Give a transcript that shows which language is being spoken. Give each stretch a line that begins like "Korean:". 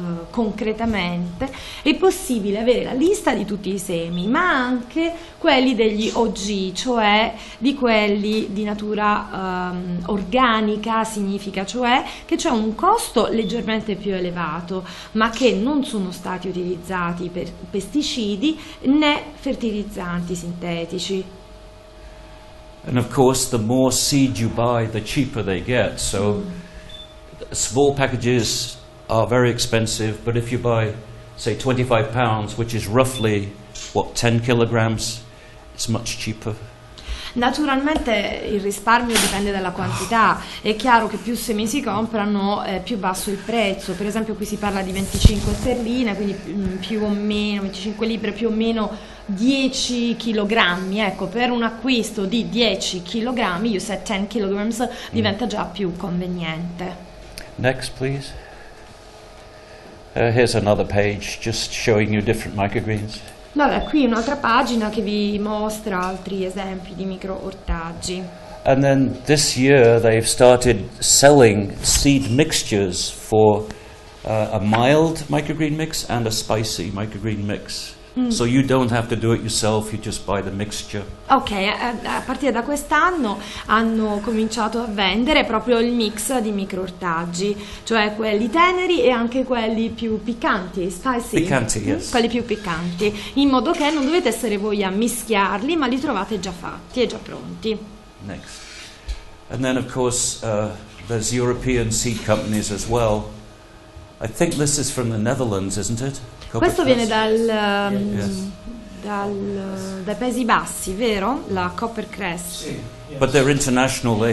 Italian: concretamente, è possibile avere la lista di tutti i semi, ma anche quelli degli OG, cioè di quelli di natura organica, significa cioè che c'è un costo leggermente più elevato, ma che non sono stati utilizzati per pesticidi né fertilizzanti sintetici.
English: And of course, the more seed you buy, the cheaper they get. So small packages are very expensive, but if you buy, say, 25 pounds, which is roughly, what, 10 kilograms, it's much cheaper.
Italian: Naturalmente il risparmio dipende dalla quantità. È chiaro che più semi si comprano, più basso il prezzo. Per esempio qui si parla di 25 sterline, quindi più o meno 25 libbre, più o meno 10 kg, ecco, per un acquisto di 10 kg,
English: you said 10 kg,
Italian: diventa già più conveniente.
English: Next, please. Here's another page just showing you different microgreens.
Italian: Allora, qui un'altra pagina che vi mostra altri esempi di microortaggi.
English: And then this year they've started selling seed mixtures for a mild microgreen mix and a spicy microgreen mix. So you don't have to do it yourself, you just buy the mixture.
Italian: Ok, a partire da quest'anno hanno cominciato a vendere proprio il mix di microortaggi, cioè quelli teneri e anche quelli più piccanti, spicy. Piccanti,
English: yes.
Italian: Quelli più piccanti, in modo che non dovete essere voi a mischiarli, ma li trovate già fatti e già pronti.
English: Next. And then of course there's European seed companies as well. I think this is from the Netherlands, isn't it?
Italian: Questo viene dai Paesi Bassi, vero? La Copper Crest. Sì,
English: yes. But they're international, they